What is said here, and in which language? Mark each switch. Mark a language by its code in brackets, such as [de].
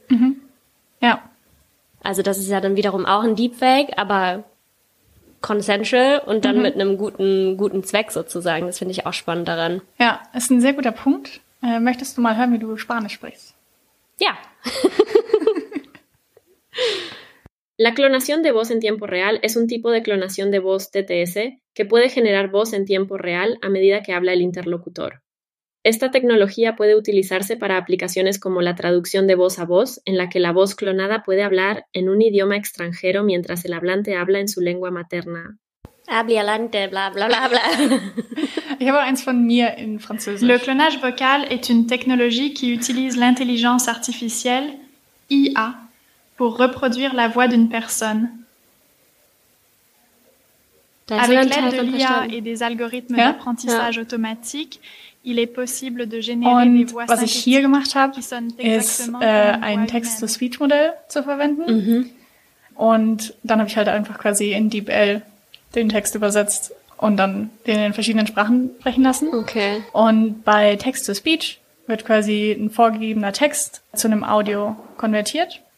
[de] Mhm. Ja. Also das ist ja dann wiederum auch ein Deepfake, aber consensual und dann mit einem guten Zweck sozusagen. Das finde ich auch spannend daran. Ja, ist ein sehr guter Punkt. Möchtest du mal hören, wie du Spanisch sprichst? Ja. [es] La clonación de voz en tiempo real es un tipo de clonación de voz TTS que puede generar voz en tiempo real a medida que habla el interlocutor. Esta tecnología puede utilizarse para aplicaciones como la traducción de voz a voz, en la que la voz clonada puede hablar en un idioma extranjero mientras el hablante habla en su lengua materna. Habla hablante, bla bla bla bla. [de] Ich habe eins von mir in Französisch. [fr] Le clonage vocal est une technologie qui utilise l'intelligence artificielle IA pour reproduire la voix d'une personne. Das avec l'aide de l'IA et des algorithmes d'apprentissage automatique, il est possible de générer [de] und [fr] des voix [de] was ich hier gemacht habe, ist ein Text-to-Speech-Modell zu verwenden. Mm-hmm. Und dann habe ich halt einfach quasi in DeepL den Text übersetzt und dann den in verschiedenen Sprachen sprechen lassen. Okay. Und bei Text-to-Speech wird quasi ein vorgegebener Text zu einem Audio konvertiert.